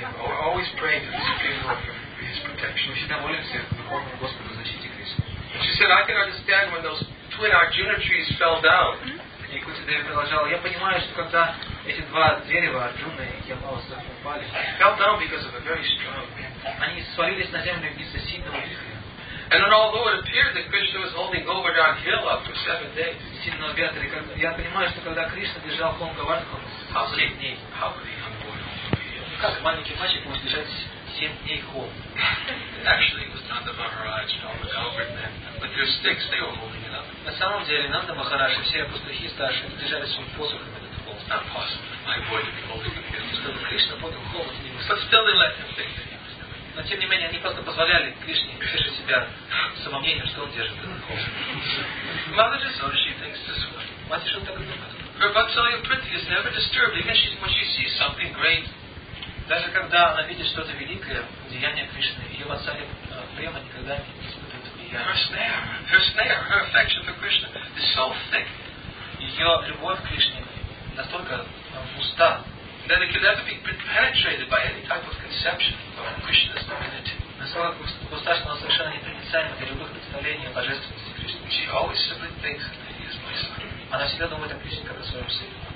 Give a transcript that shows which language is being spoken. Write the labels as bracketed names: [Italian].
[English] Always praying to the Supreme Lord for his protection. [Russian] Мы всегда молимся Верховному Господу о защите Кришны. [English] She said, I can understand when those twin Arjuna trees fell down. [Russian] И Кунти Деви продолжала, я понимаю, что когда эти два дерева, Арджуна и Ямбаласа, упали, [English] fell down because of a very strong wind. [Russian] Они свалились на землю вместо сильного ветра. [English] And then, although it appeared that Krishna was holding Govardhan Hill up for 7 days, [Russian] сильного ветра, я понимаю, что когда Кришна держал холм Говардхан, [English] how could he hold it? [Russian] Как маленький мальчик может держать 7 дней холм? [English] Actually, it was Nanda Maharaj and all the Govardhan, but their sticks they were holding it up. [Russian] На самом деле, Нанда Махарадж и все пастухи старшие держали свой посох. [English] Not possible. My boy to be holding the hill. [Russian] Чтобы Кришна поднял холм. [English] But still, they let him think. [Russian] Но тем не менее, они просто позволяли Кришне утешить себя самомнением, что он держит этот холм. [English] Mother Yasoda, she thinks this way. [Russian] Мать Ишода так и думает. [English] Her Vatsalya Priti is never disturbed, even when she sees something great. [Russian] Даже когда она видит что-то великое, деяние Кришны, ее Vatsalya Prema никогда не испытывает влияние. [English] Her snare, her affection for Krishna is so thick. [Russian] Ее любовь к Кришне настолько густа. [English] Then it could never be penetrated by any type of conception of Krishna's divinity. [Russian] Настолько густа, что она совершенно непроницаема для любых представлений о божественности. [English] Krishna. She always simply thinks that he is my son. [Russian] Она всегда думает о Кришне как о своем сыне.